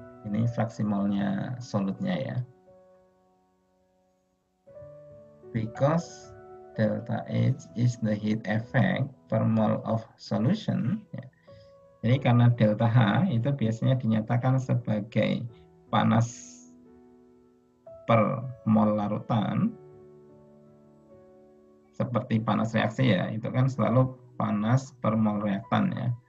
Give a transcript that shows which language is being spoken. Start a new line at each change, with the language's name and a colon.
Indonesian: Ini fraksi molnya solutnya ya.
English: Because delta H is the heat effect per mole of solution.
Indonesian: Jadi karena delta H itu biasanya dinyatakan sebagai panas per mol larutan. Seperti panas reaksi ya, itu kan selalu panas per mol reaktan ya.